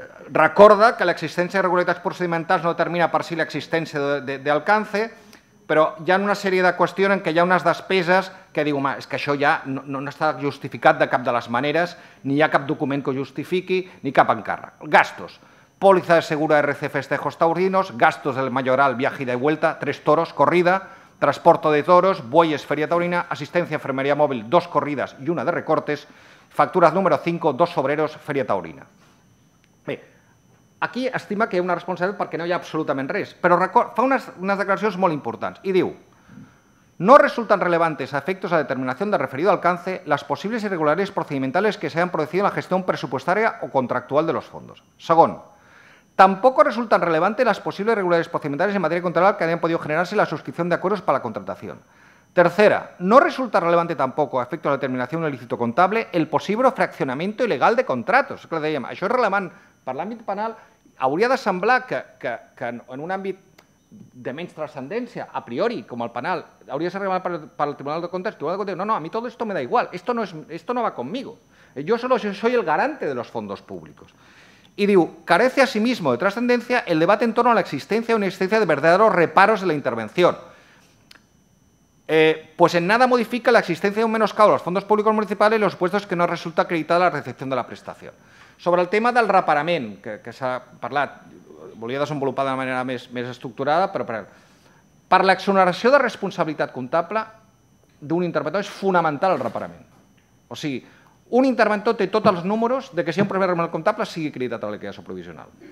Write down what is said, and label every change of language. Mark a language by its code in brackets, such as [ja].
[ca] Recorda que [es] la existencia de regularidades procedimentales no determina per [ca] si la existencia de alcance, però hi ha una sèrie de qüestions en què hi ha unes despeses que diu, home, és que això ja no està justificat de cap de les maneres, ni hi ha cap document que ho justifiqui, ni cap encàrrec. [es] Gastos. Póliza de seguro RC Festejos Taurinos, gastos del mayoral, viaje y de vuelta, tres toros, corrida, transporte de toros, bueyes, feria taurina, asistencia, enfermería móvil, dos corridas y una de recortes, facturas número 5, dos obreros, feria taurina. [ca] Aquí estima que hi ha una responsabilitat perquè no hi ha absolutament res, però fa unes declaracions molt importants i diu [es] «No resultan relevantes a efectos a determinación de referido alcance las posibles irregularidades procedimentales que se han producido en la gestión presupuestaria o contractual de los fondos». Segon, «Tampoco resultan relevantes las posibles irregularidades procedimentales en materia contractual que hayan podido generarse la suscripción de acuerdos para la contratación». Tercera, «No resulta relevante tampoco a efectos de determinación de un ilícito contable el posible fraccionamiento ilegal de contratos». [ca] Que dèiem, això és relevant per l'àmbit penal, hauria de semblar que en un àmbit de menys transcendència, a priori, com el penal, hauria de ser arribat per al Tribunal de Comptes, no, a mi tot això [es] me da igual, esto no va conmigo, yo soy el garante de los fondos públicos. I diu, carece a sí mismo de transcendencia el debate en torno a la existencia o inexistencia de verdaderos reparos de la intervención. Pues en nada modifica la existencia de un menoscabo de los fondos públicos municipales y los supuestos que no resulta acreditada la recepción de la prestación. [ca] Sobre el tema del reparament, que s'ha parlat, volia desenvolupar d'una manera més estructurada, però per l'exoneració de responsabilitat comptable d'un interventor és fonamental el reparament. O sigui, un interventor té tots els números que si hi ha un problema amb el comptable sigui acreditat a la liquidació provisional.